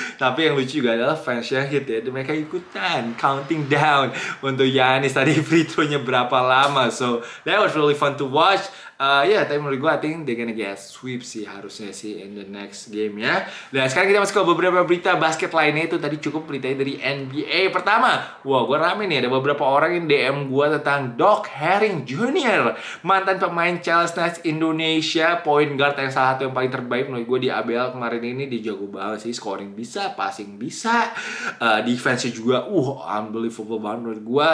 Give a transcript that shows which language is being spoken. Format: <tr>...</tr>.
<id>Tapi yang lucu juga adalah fansnya Heat ya, mereka ikutan counting down untuk Giannis tadi free throw-nya berapa lama.</id> <en>So that was really fun to watch. Yeah,</en> <id>tapi menurut gue,</id> <en>I think they're gonna get sweep</en> <id>sih harusnya sih</id> <en>in the next game ya.</en> <id>Dan sekarang kita masuk ke beberapa berita basket lainnya. Itu tadi cukup beritanya dari NBA. Pertama, wah gue rame nih, ada beberapa orang yang DM gue tentang Doc Herring Jr., mantan pemain Charles Knights Indonesia, point guard yang salah satu yang paling terbaik menurut gue di ABL kemarin ini. Dia jago banget sih, scoring bisa, passing bisa, defense juga, unbelievable banget menurut gue.</id>